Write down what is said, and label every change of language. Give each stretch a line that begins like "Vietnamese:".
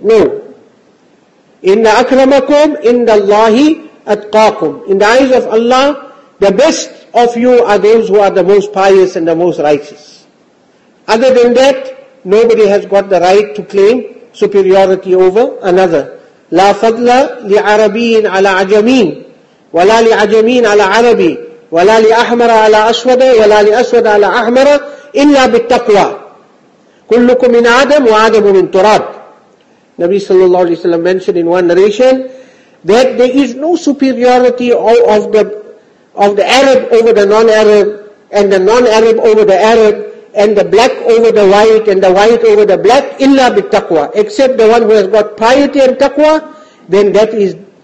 English: No.
Arabic: إِنَّ أَكْرَمَكُمْ إِنَّ اللَّهِ أَتْقَاكُمْ.
English: In the eyes of Allah, the best of you are those who are the most pious and the most righteous. Other than that, nobody has got the right to claim superiority over another.
Arabic: لا فضل لعربي على عجمي ولا لعجمي على عربي ولا لأحمر على أسود ولا لأسود على أحمر إلا بالتقوى كلكم من آدم وآدم من تراب.
English: Nabi sallallahu alayhi wa sallam mentioned in one narration that there is no superiority of the Arab over the non-Arab, and the non-Arab over the Arab, and the black over the white, and the white over the black,
Arabic: illa bit taqwa.
English: Except the one who has got piety and taqwa, then that is